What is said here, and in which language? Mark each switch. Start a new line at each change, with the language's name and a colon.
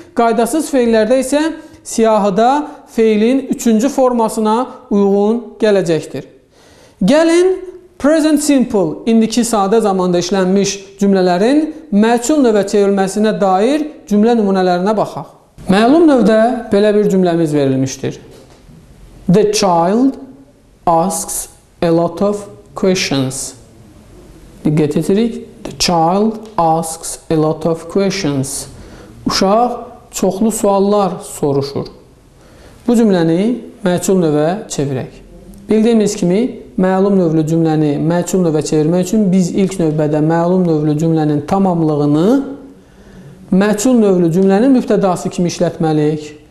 Azerbaijani: Qaydasız feillərdə isə siyahıda feilin 3-cü formasına uyğun gələcəkdir. Gəlin present simple, indiki sadə zamanda işlənmiş cümlələrin məçhul növə çevrilməsinə dair cümlə nümunələrinə baxaq. Məlum növdə belə bir cümləmiz verilmişdir.
English: The child asks a lot of questions.
Azerbaijani: Diqqət edirik.
English: The child asks a lot of questions.
Azerbaijani: Uşaq çoxlu suallar soruşur. Bu cümləni məçhul növə çevirək. Bildiyimiz kimi, məlum növlü cümləni məçhul növə çevirmək üçün biz ilk növbədə məlum növlü cümlənin tamamlığını məçhul növlü cümlənin mübtədası kimi işlətməliyik.